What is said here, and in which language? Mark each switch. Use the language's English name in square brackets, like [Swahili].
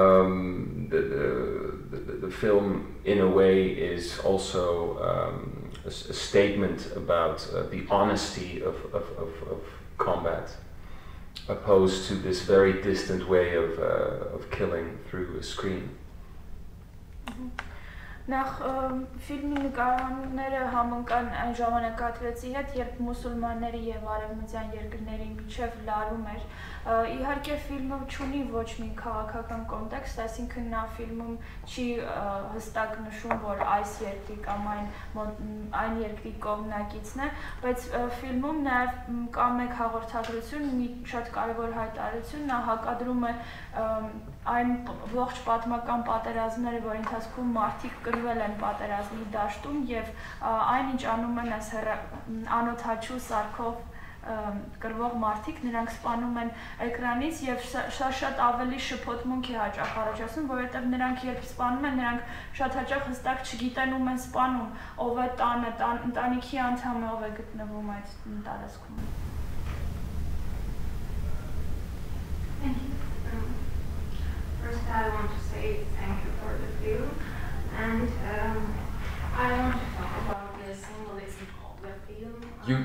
[English] The film, in a way, is also a statement about the honesty of combat, opposed to this very distant way of killing through a screen. [Armenian] Նախ ֆիլմի նկարները համընկան այն ժամանակակիցի հետ, երբ մուսուլմանների եւ արևմտյան երկրների միջև լարում էր։ Իհարկե ֆիլմը չունի ոչ մի քաղաքական կոնտեքստ, այսինքն նա ֆիլմում չի հստակ նշում, որ այս երկրի կամ այն երկրի կողմնակիցն է, բայց ֆիլմում նաեւ կա մեկ հաղորդագրություն, մի շատ կարևոր հայտարարություն, նա հակադրում է այն ողջ պատմական պատերազմները, որի ընթացքում մարդիկ կրվել են պատերազմի դաշտում, եւ այն ինչ անում են այս անոթաչու սարքով կրվող մարդիկ, նրանք սպանում են էկրանից, եւ շատ ավելի շփոթմունք է հաճախ առաջացնում, որովհետեւ նրանք երբ սպանում են, նրանք շատ հաճախ հստակ չգիտեն ում են սպանում, ով է տանը, ընտանիքի անդամը ով է գտնվում այդ տարածքում։ [English] First, I want to say thank you for the film, and I want to talk about the symbolism of the film.